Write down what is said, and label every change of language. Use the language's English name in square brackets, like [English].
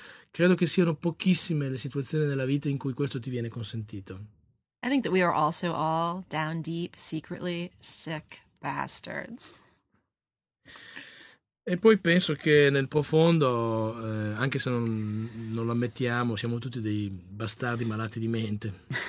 [Italian] Credo che siano pochissime le situazioni nella vita in cui questo ti viene consentito. [English] I think that we are also all down deep, secretly sick bastards. [Italian] E poi penso che nel profondo, anche se non lo ammettiamo, siamo tutti dei bastardi malati di mente.